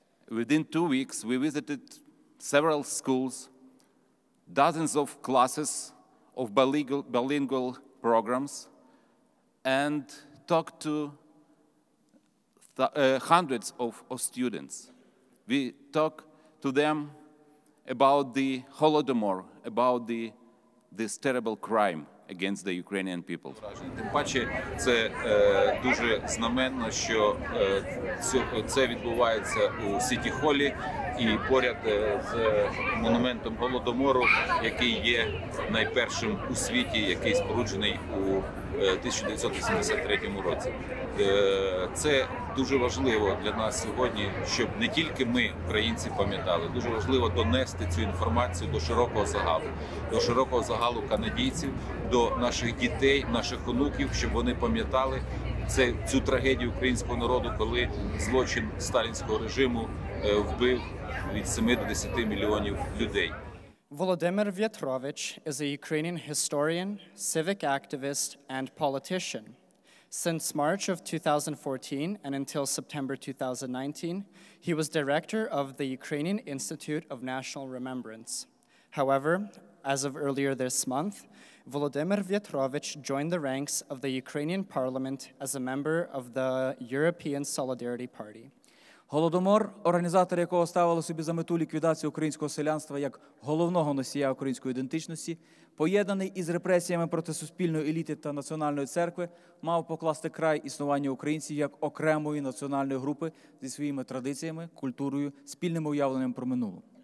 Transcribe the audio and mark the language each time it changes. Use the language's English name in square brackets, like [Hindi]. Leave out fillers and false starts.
[English] Within 2 weeks, we visited several schools, dozens of classes of bilingual programs, and talked to hundreds of students. We talked to them about the Holodomor, about this terrible crime against the Ukrainian people. [Ukrainian] Тим паче, це дуже знаменно, що це відбувається у Сіті-холі і поряд з монументом Голодомору, який є найпершим у світі, який споруджений у 1983 році. Це дуже важливо для нас сьогодні, щоб не тільки ми, українці, пам'ятали, дуже важливо донести цю інформацію до широкого загалу канадійців, до наших дітей, наших онуків, щоб вони пам'ятали цю трагедію українського народу, коли злочин сталінського режиму вбив від 7 до 10 мільйонів людей. [English] Volodymyr Vyatrovich is a Ukrainian historian, civic activist, and politician. Since March of 2014 and until September 2019, he was director of the Ukrainian Institute of National Remembrance. However, as of earlier this month, Volodymyr Vyatrovich joined the ranks of the Ukrainian parliament as a member of the European Solidarity Party. [Ukrainian] Голодомор, організатори якого ставили собі за мету ліквідацію українського селянства як головного носія української ідентичності, поєднаний із репресіями проти суспільної еліти та національної церкви, мав покласти край існуванню українців як окремої національної групи зі своїми традиціями, культурою, спільним уявленням про минуле.